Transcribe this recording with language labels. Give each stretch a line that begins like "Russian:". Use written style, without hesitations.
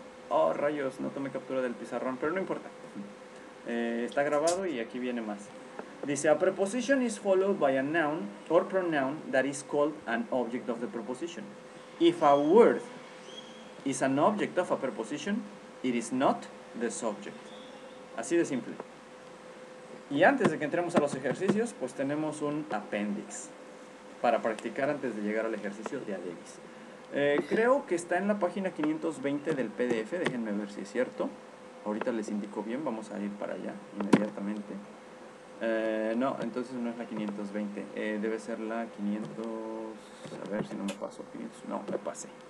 Spanish: Oh, rayos, no tomé captura del pizarrón, pero no importa. Está grabado y aquí viene más. Dice,
English: a preposition is followed by a noun or pronoun that is called an object of the preposition. If a word is an object of a preposition, it is not the subject.
Spanish: Así de simple. Y antes de que entremos a los ejercicios, pues tenemos un appendix para practicar antes de llegar al ejercicio de Adebis. Creo que está en la página 520 del PDF, déjenme ver si es cierto. Ahorita les indico bien, vamos a ir para allá inmediatamente. No, entonces no es la 520, debe ser la 500, a ver si no me paso, 500, no, me pasé.